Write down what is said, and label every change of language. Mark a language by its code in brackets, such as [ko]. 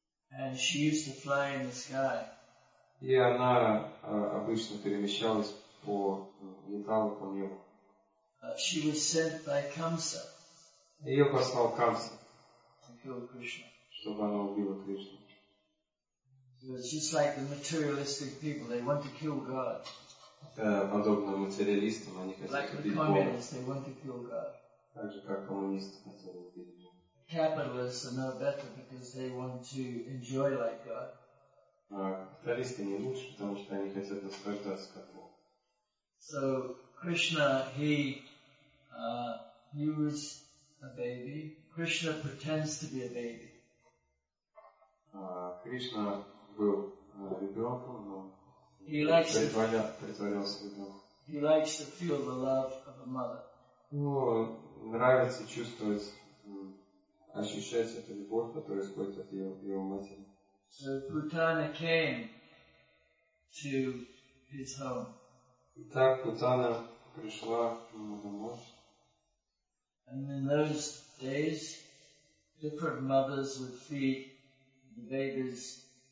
[en] And she used to fly in the sky. [ru] И она обычно перемещалась по металлу, по небу. [en] She was sent by Kamsa. [ru] Ее послал Камса. [en] To kill Krishna. [ru] Чтобы она убила Кришну. [en] So it's just like the materialistic people, they want to kill God. [ru] Подобно материалистам, они хотят убить Бога. Так же, как коммунисты хотят убить Бога. [en] Capitalists are no better because they want to enjoy like God. [ru] Капиталисты не лучше, потому что они хотят наслаждаться как Бог. [en] So Krishna, he was a baby. Krishna pretends to be a baby. [ru] Кришна был ребенком, но притворялся ребенком. [en] He likes to feel the love of a mother. [ru] Ну, нравится чувствовать, ощущать эту любовь, которая исходит от его матери. [en] So Putana came to his home. [ru] Итак, Путана пришла домой. [en] And in those days, different mothers would feed the babies.